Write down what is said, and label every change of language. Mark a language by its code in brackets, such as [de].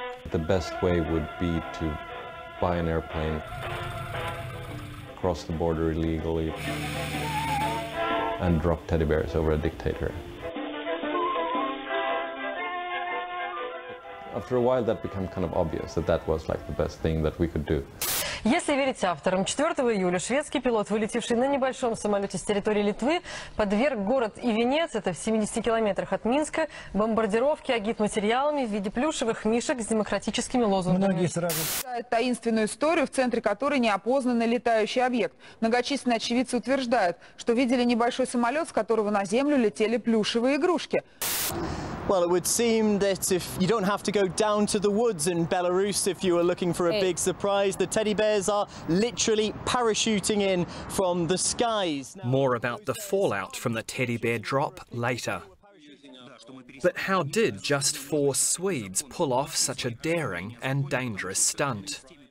[en] The best way would be to buy an airplane, cross the border illegally, and drop teddy bears over a dictator. After a while, that became kind of obvious that that was like the best thing that we could do. [ru] Если верить авторам, 4 июля шведский пилот, вылетевший на небольшом самолете с территории Литвы, подверг город Ивенец, это в 70 километрах от Минска, бомбардировке агитматериалами в виде плюшевых мишек с демократическими лозунгами. Многие сразу считают таинственную историю, в центре которой неопознанный летающий объект. Многочисленные очевидцы утверждают, что видели небольшой самолет, с которого на землю летели плюшевые игрушки. [en] Well, it would seem that if you don't have to go down to the woods in Belarus if you are looking for a big surprise, the teddy bears are literally parachuting in from the skies. More about the fallout from the teddy bear drop later. But how did just four Swedes pull off such a daring and dangerous stunt?